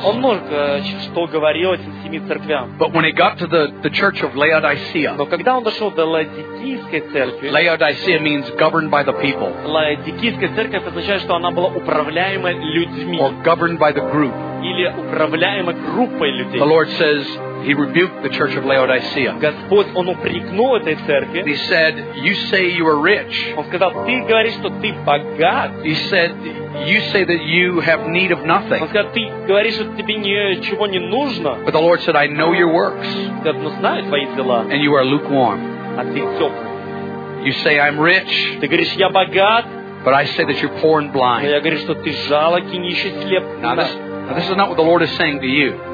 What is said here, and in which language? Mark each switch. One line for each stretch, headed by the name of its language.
English: But when he got to the church of Laodicea, Laodicea means governed by the people. Or governed by the group. The Lord says, he rebuked the church of Laodicea.
Russian: Господь, он упрекнул этой церкви.
English: He said, you say you are rich.
Russian: Он сказал, ты говоришь, что ты богат.
English: He said, you say that you have need of nothing.
Russian: Он сказал, ты говоришь, что тебе ничего не нужно.
English: But the Lord said, I know your works.
Russian: Я знаю твои дела.
English: And you are lukewarm.
Russian: А ты теплый.
English: You say, I'm rich.
Russian: Ты говоришь, я богат.
English: But I say that you're poor and blind.
Russian: Я говорю, что ты жалок и нищий, слеп.
English: Now this is not what the Lord is saying to you.